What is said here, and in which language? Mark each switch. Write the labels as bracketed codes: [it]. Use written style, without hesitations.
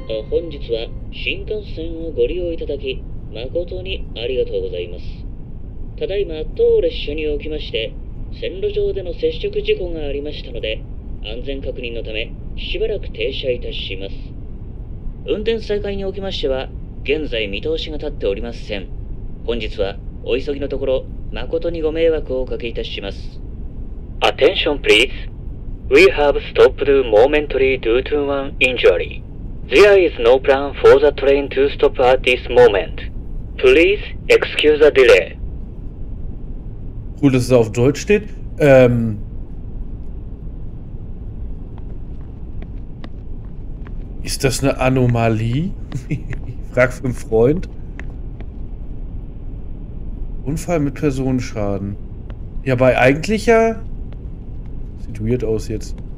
[ja] 本日は新幹線をご利用いただき誠にありがとうございます。ただいま当列車におきまして線路上での接触事故がありましたので安全確認のためしばらく停車いたします。運転再開におきましては現在見通しが立っておりません。本日はお急ぎのところ誠にご迷惑をおかけいたします。 [en] Attention please. We have stopped momentarily due to an injury. There is no plan for the train to stop at this moment. Please excuse the delay. [de] Cool, dass es auf Deutsch steht. Ist das eine Anomalie? Ich frag für einen Freund. Unfall mit Personenschaden. Ja, bei eigentlicher. Sieht weird aus jetzt.